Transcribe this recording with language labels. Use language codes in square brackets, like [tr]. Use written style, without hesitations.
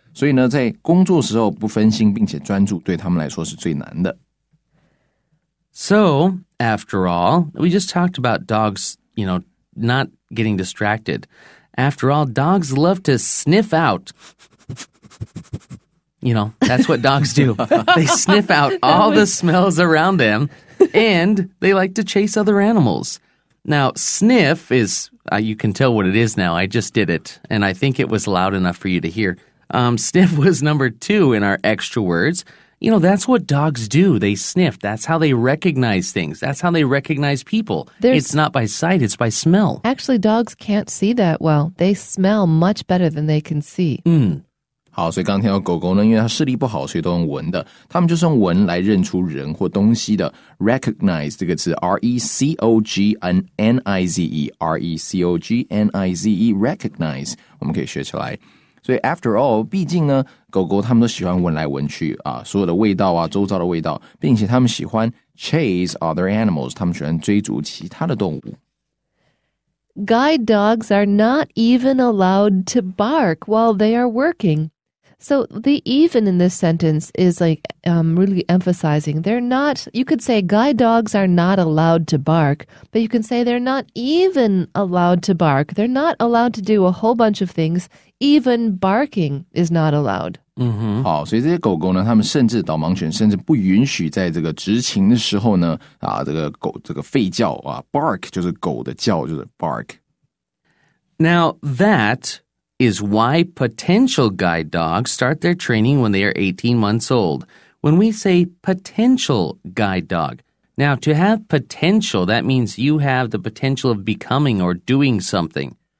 [zh] 所以呢，在工作时候不分心并且专注，对他们来说是最难的。 [en] So, after all, we just talked about dogs, you know, not getting distracted. After all, dogs love to sniff out. You know, that's what dogs do. They sniff out all the smells around them, and they like to chase other animals. Now, sniff is, you can tell what it is now. I just did it, and I think it was loud enough for you to hear. Sniff was number two in our extra words. You know, that's what dogs do. They sniff. That's how they recognize things. That's how they recognize people. It's not by sight. It's by smell. Actually, dogs can't see that well. They smell much better than they can see. 嗯， [zh] 好，所以刚听到狗狗呢，因为它视力不好，所以都用闻的。他们就是用闻来认出人或东西的。 [en] Recognize 这个词，R-E-C-O-G-N-I-Z-E, R-E-C-O-G-N-I-Z-E, recognize. 我们可以学起来。 [zh] 所以 after all, 毕竟呢狗狗他们都喜欢闻来闻去啊所有的味道啊周遭的味道并且他们喜欢 chase other animals, 他们喜欢追逐其他的动物。 [en] Guide dogs are not even allowed to bark while they are working. So the even in this sentence is like, really emphasizing. They're not, you could say guide dogs are not allowed to bark, but you can say they're not even allowed to bark. They're not allowed to do a whole bunch of things. Even barking is not allowed. 嗯哼， [zh] 好，所以这些狗狗呢，它们甚至导盲犬甚至不允许在这个执勤的时候呢，啊，这个狗这个吠叫啊 ，bark 就是狗的叫，就是 bark. [en] Now that is why potential guide dogs start their training when they are 18 months old. When we say potential guide dog, now to have potential, that means you have the potential of becoming or doing something.